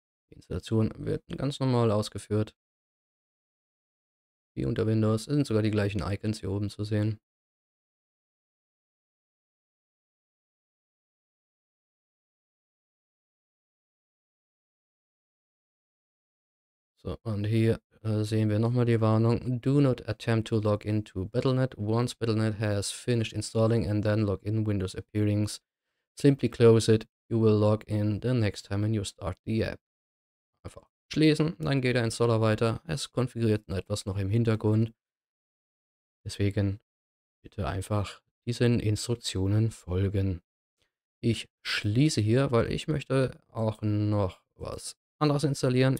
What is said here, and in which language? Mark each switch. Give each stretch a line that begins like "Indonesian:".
German: Die Installation wird ganz normal ausgeführt. Wie unter Windows. Es sind sogar die gleichen Icons hier oben zu sehen. So, und hier sehen wir nochmal die Warnung.
English: Do not attempt to log into Battle.net. Once Battle.net has finished installing and then log in Windows Appearings, simply close it. You will log in the next time when you start the app.
German: Einfach schließen, dann geht der Installer weiter. Es konfiguriert etwas noch im Hintergrund. Deswegen bitte einfach diesen Instruktionen folgen. Ich schließe hier, weil ich möchte auch noch was anderes installieren.